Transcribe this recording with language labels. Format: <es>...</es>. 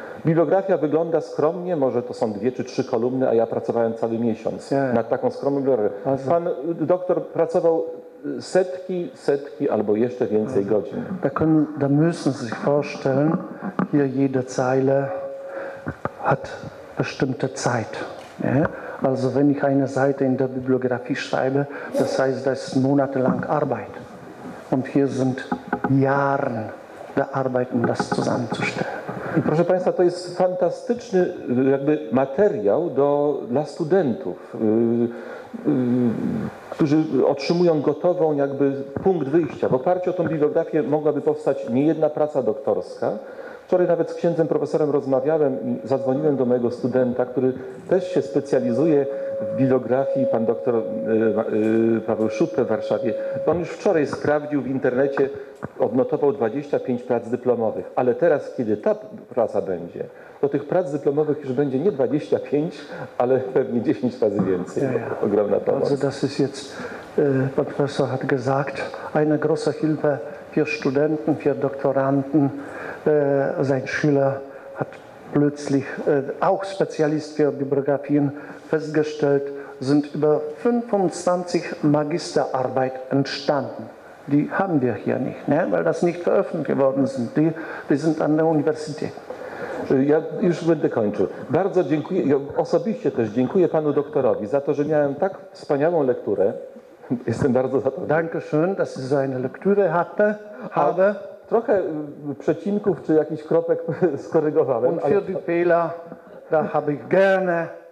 <pl>Bibliografia wygląda skromnie, może to są dwie czy trzy kolumny, a ja pracowałem cały miesiąc nad taką skromną bibliografią. Pan doktor pracował setki albo jeszcze więcej godzin.</pl> <de>Da müssen Sie sich vorstellen, hier jede Zeile hat bestimmte Zeit. Nie? Also wenn ich eine Seite in der Bibliografie schreibe, das heißt, das ist monatelang Arbeit. Und hier sind Jahre der Arbeit, um das zusammenzustellen.</de> <pl>I proszę Państwa, to jest fantastyczny jakby materiał dla studentów, którzy otrzymują gotową jakby punkt wyjścia. W oparciu o tą bibliografię mogłaby powstać niejedna praca doktorska. Wczoraj nawet z księdzem profesorem rozmawiałem i zadzwoniłem do mojego studenta, który też się specjalizuje w bibliografii, pan doktor Paweł Szupę w Warszawie. On już wczoraj sprawdził w internecie, odnotował 25 prac dyplomowych, ale teraz, kiedy ta praca będzie, to tych prac dyplomowych już będzie nie 25, ale pewnie 10 razy więcej. Ja, ja. Ogromna pomoc.</pl> <de>Also das ist jetzt,</de> <pl>pan profesor</pl> <de>hat gesagt, eine große Hilfe für Studenten, für Doktoranten. Sein Schüler hat plötzlich, auch Spezialist für Bibliografien, festgestellt, sind über 25 Magisterarbeit entstanden. Die haben wir hier nicht, ne? Weil das nicht veröffentlicht worden sind. Die sind an der Universität.</de> <pl>Ja już będę kończył. Bardzo dziękuję, ja osobiście też dziękuję panu doktorowi za to, że miałem tak wspaniałą lekturę. Jestem bardzo za to.</pl> <de>Danke schön, dass Sie so eine Lektüre hatte, habe.</de> <pl>Trochę przecinków czy jakichś kropek skorygowałem.</pl> <de>Und für die Fehler, da habe ich gerne.</de>